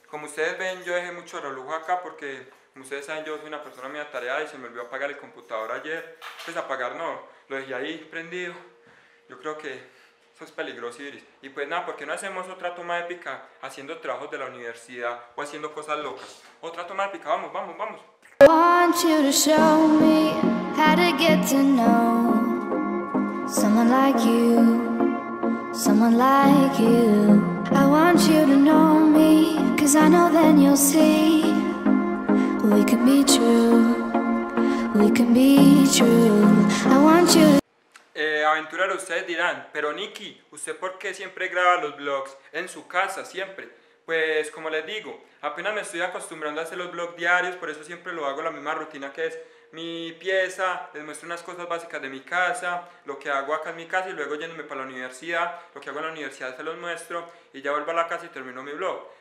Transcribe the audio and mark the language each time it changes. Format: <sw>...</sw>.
<es>Como ustedes ven, yo dejé mucho relujo acá porque, como ustedes saben, yo soy una persona muy atareada y se me olvidó apagar el computador ayer. Pues apagar no, lo dejé ahí prendido. Yo creo que eso es peligroso, Iris. Y pues nada, ¿por qué no hacemos otra toma épica haciendo trabajos de la universidad o haciendo cosas locas? Otra toma épica, vamos, vamos, vamos.</es> <en>Want you to show me how to get to know someone like you, someone like you. I want you to know me, cause I know then you'll see we can be true, we can be true. I want you to...</en> <es>aventurero, ustedes dirán, pero Nicky, ¿usted por qué siempre graba los vlogs en su casa, siempre? Pues, como les digo, apenas me estoy acostumbrando a hacer los vlogs diarios, por eso siempre lo hago la misma rutina, que es mi pieza, les muestro unas cosas básicas de mi casa, lo que hago acá en mi casa y luego yéndome para la universidad, lo que hago en la universidad se los muestro y ya vuelvo a la casa y termino mi vlog.</es>